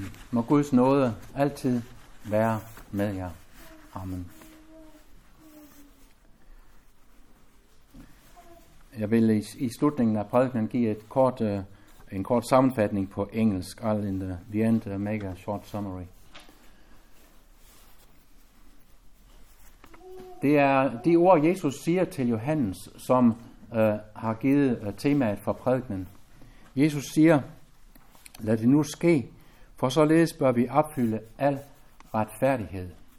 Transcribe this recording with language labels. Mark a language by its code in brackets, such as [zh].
[da] Må Guds nåde altid være med jer. Amen. Jeg vil i slutningen af prædikenen give en kort sammenfatning på engelsk. [en] I'll in the end make a short summary. [da] Det er de ord, Jesus siger til Johannes, som har givet temaet for prædikenen. Jesus siger, lad det nu ske, for således bør vi opfylde al retfærdighed.